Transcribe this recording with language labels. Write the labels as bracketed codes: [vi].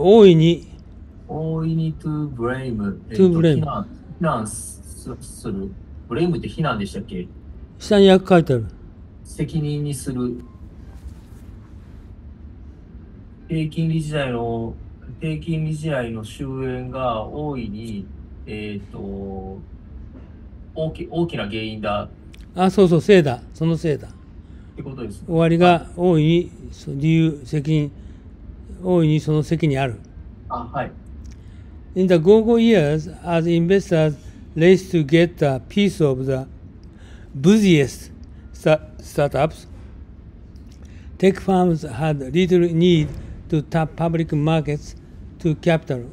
[ja] 大いに [en] to blame、 to blame、 [ja] 非難する。ブレームって非難でしたっけ？下に訳書いてある。責任にする。低金利時代の終焉が大いに、大きな原因だ。あ、そうそう、せいだ。そのせいだ。ってことです。終わりが大いに、理由、責任、大いにその責任ある。あ、はい。 [en] In the go-go years, as investors race to get a piece of the busiest startups, tech firms had little need to tap public markets to capital.